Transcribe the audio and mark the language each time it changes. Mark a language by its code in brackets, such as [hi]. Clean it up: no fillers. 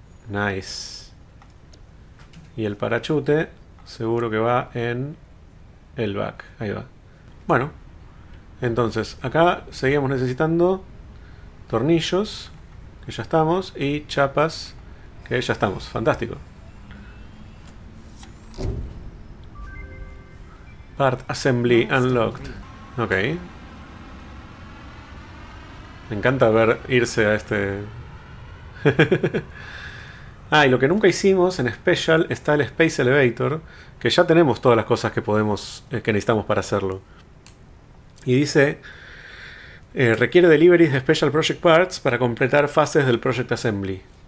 [es] Nice. Y el parachute seguro que va en el back. Ahí va. Bueno. Entonces, acá seguimos necesitando tornillos, que ya estamos, y chapas, que ya estamos. ¡Fantástico! [en] Part assembly unlocked. Ok. [es] Me encanta ver irse a este... y lo que nunca hicimos en Special está el Space Elevator, que ya tenemos todas las cosas que podemos, que necesitamos para hacerlo. Y dice, requiere deliveries de Special Project Parts para completar fases del Project Assembly.